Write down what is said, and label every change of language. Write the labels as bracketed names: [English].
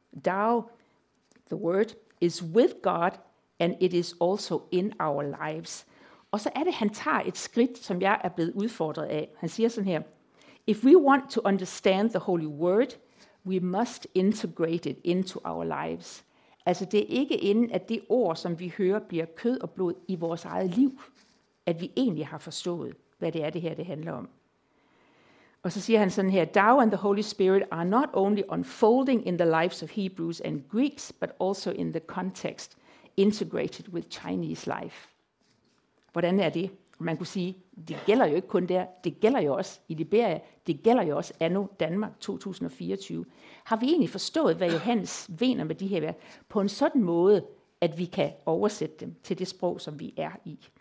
[English] Tao, the word, is with God, and it is also in our lives. [Danish] Og så er det, han tager et skridt, som jeg er blevet udfordret af. [English] Han siger sådan her, if we want to understand the Holy Word, we must integrate it into our lives. [Danish] Altså det er ikke inden, at det ord, som vi hører, bliver kød og blod i vores eget liv, at vi egentlig har forstået, hvad det er, det her det handler om. [English] Og så siger han sådan her, Tao and the Holy Spirit are not only unfolding in the lives of Hebrews and Greeks, but also in the context integrated with Chinese life. [Danish] Hvordan er det? Man kunne sige, det gælder jo ikke kun der, det gælder jo også i Liberia, det gælder jo også anno Danmark 2024. Har vi egentlig forstået, hvad Johannes mener med de her værd, på en sådan måde, at vi kan oversætte dem til det sprog, som vi er i?